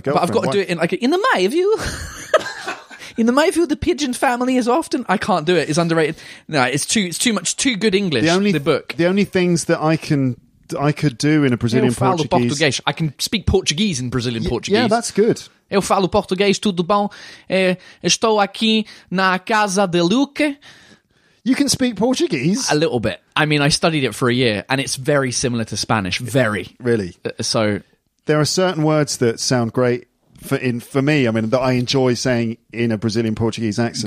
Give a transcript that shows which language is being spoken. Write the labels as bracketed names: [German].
[English] But I've got to do it in the my view. In the my view, the pigeon family is often... I can't do it. It's underrated. No, it's too much. Too good English, the book. The only things that I could do in a Brazilian Portuguese... I can speak Portuguese in Brazilian Portuguese. Yeah, that's good. [Portuguese] Eu falo português, tudo bom? Estou aqui na casa de Luque. [English] You can speak Portuguese? A little bit. I mean, I studied it for a year, and it's very similar to Spanish. Very. Really? So... There are certain words that sound great. For me, I mean, that I enjoy saying in a Brazilian Portuguese accent.